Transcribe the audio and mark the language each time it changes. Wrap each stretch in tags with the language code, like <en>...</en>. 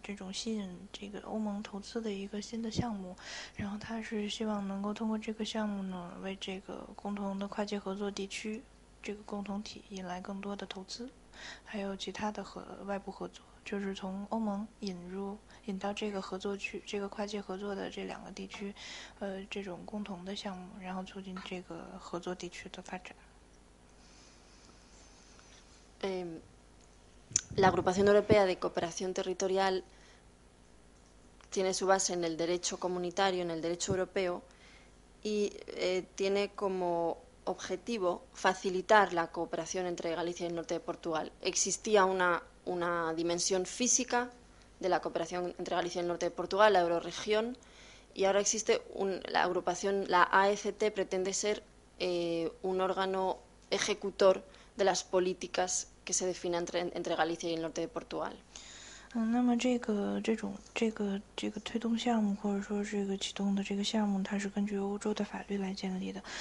<zh>吸引这个欧盟投资的一个新的项目，然后他是希望能够通过这个项目呢，为这个共同的跨界合作地区这个共同体引来更多的投资，还有其他的外部合作，就是从欧盟引到这个合作区，这个跨界合作的这两个地区，这种共同的项目，然后促进这个合作地区的发展。</zh> <es>La Agrupación Europea de Cooperación Territorial tiene su base en el derecho comunitario, en el derecho europeo, y tiene como objetivo facilitar la cooperación entre Galicia y el norte de Portugal. Existía una dimensión física de la cooperación entre Galicia y el norte de Portugal, la Eurorregión, y ahora existe la agrupación, la AECT pretende ser un órgano ejecutor de las políticas que se definan entre Galicia y el norte de Portugal.</es> <zh>那么这个推动项目或者说这个启动的这个项目，它是根据欧洲的法律来建立的。</zh>